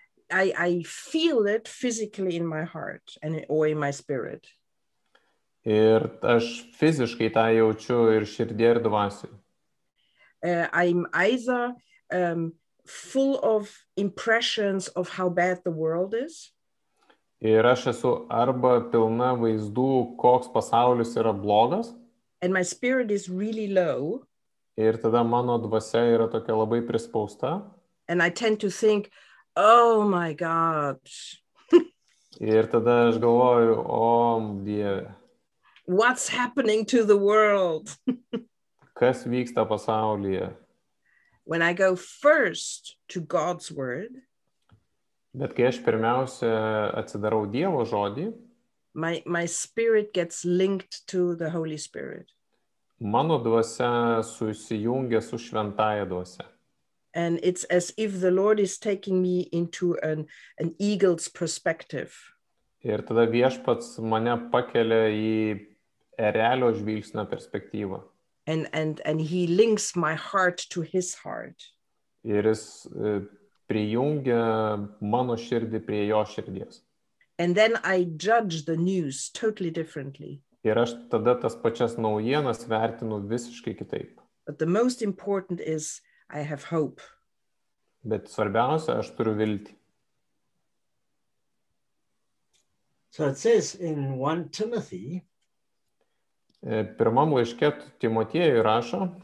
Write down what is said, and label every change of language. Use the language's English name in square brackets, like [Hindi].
[English] I feel it physically in my heart and or in my spirit. [Lithuanian] Ir aš fiziškai tą jaučiu ir širdyje ir dvasioje. [English] I'm either full of impressions of how bad the world is. [Lithuanian] Ir aš esu arba pilna vaizdų, koks pasaulis yra blogas. [English] And my spirit is really low. [Lithuanian] Ir tada mano dvasia yra tokia labai prispausta. [English] And I tend to think, oh my God. [Lithuanian] Ir tada aš galvoju, oh Dieve. [English] What's happening to the world? [Lithuanian] Kas vyksta pasaulyje? [English] When I go first to God's word, [Lithuanian] bet kai aš pirmiausia atsidarau Dievo žodį, [English] My spirit gets linked to the Holy Spirit. [Lithuanian] Mano dvasia susijungia su šventaja dvasia. [English] And it's as if the Lord is taking me into an eagle's perspective. [Lithuanian] Ir tada viešpats mane pakelia į erelio žvilgsnio perspektyvą. [English] And he links my heart to his heart. [Lithuanian] Ir jis prijungia mano širdį prie jo širdies. [English] And then I judge the news totally differently. [Lithuanian] Ir aš tada tas pačias naujienas vertinu visiškai kitaip. [English] But the most important is I have hope. [Lithuanian] Bet svarbiausia, aš turiu viltį. [English] So it says in 1 Timothy. [Lithuanian] Pirmam laiške Timotiejui rašo.